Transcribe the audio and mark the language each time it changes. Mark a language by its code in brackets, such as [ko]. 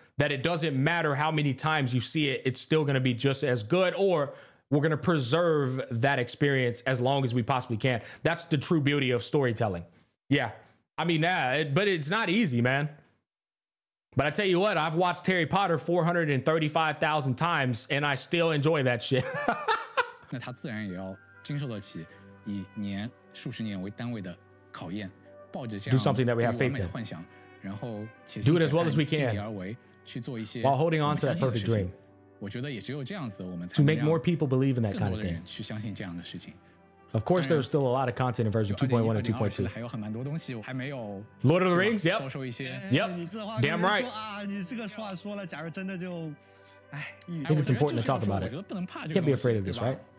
[en] that it doesn't matter how many times you see it, it's still going to be just as good, or we're going to preserve that experience as long as we possibly can. That's the true beauty of storytelling. Yeah. I mean, yeah, but it's not easy, man. But I tell you what, I've watched Harry Potter 435,000 times, and I still enjoy that shit. [zh] 那他自然也要经受得起以年数十年为单位的考验，抱着这样 [en] do something that we have faith in. Do it as well as we can while holding on to that perfect dream. [zh] 我觉得也只有这样子，我们才能让 [en] to make more people believe in that kind of thing. [zh] 去相信这样的事情。 [en] Of course, there's still a lot of content in version 2.1 and 2.2. Lord of the Rings, yep. Yep, damn right. I think it's important to talk about it. Can't be afraid of this, right?